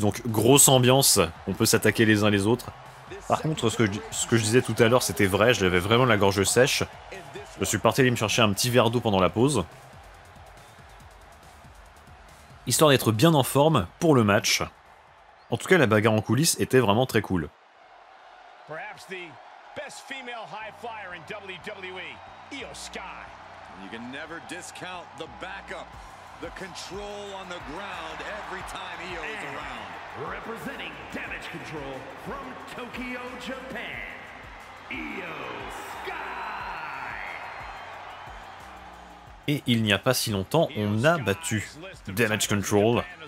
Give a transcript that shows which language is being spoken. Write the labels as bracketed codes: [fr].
[fr] Donc grosse ambiance, on peut s'attaquer les uns les autres. Par contre, ce que je disais tout à l'heure, c'était vrai, j'avais vraiment la gorge sèche. Je suis parti aller me chercher un petit verre d'eau pendant la pause. Histoire d'être bien en forme pour le match. En tout cas, la bagarre en coulisses était vraiment très cool. [en] Perhaps the best female high flyer in WWE, Io Sky. You can never discount the backup, the control on the ground every time Io is around. Representing damage control from Tokyo, Japan, Io Sky. [fr] Et il n'y a pas si longtemps, on a battu Damage Control.